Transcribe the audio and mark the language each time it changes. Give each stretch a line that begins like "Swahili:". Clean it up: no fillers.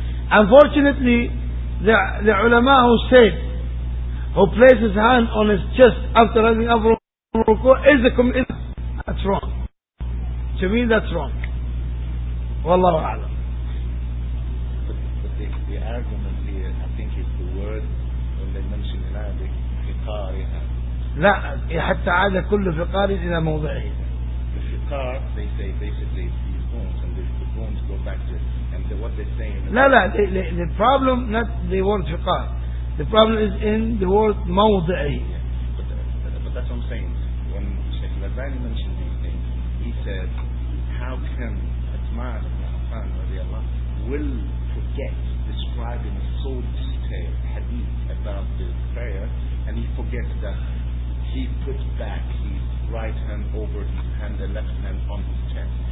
English: Unfortunately, the ulama who said who places hand on his chest after rising up from ruku' is a committee. That's wrong. To me, that's wrong. Wallahu a'lam. But the argument here, I think, is the word when they mention in Arabic, fiqariha.
Arabic: لا, حتى عاد كل فقار إلى موضعه.
English: The fiqar, they say basically these bones, and the bones go back to it. What they're saying. No, the problem, not the word fiqar. The problem is in the word mawdi'i. Yeah, but that's what I'm saying. When Sheikh Al-Albani mentioned these things, he said, how can Atman ibn Affan radiallahu will forget describing so detailed hadith about the prayer, and he forgets that he put back his right hand over his hand and left hand on his chest.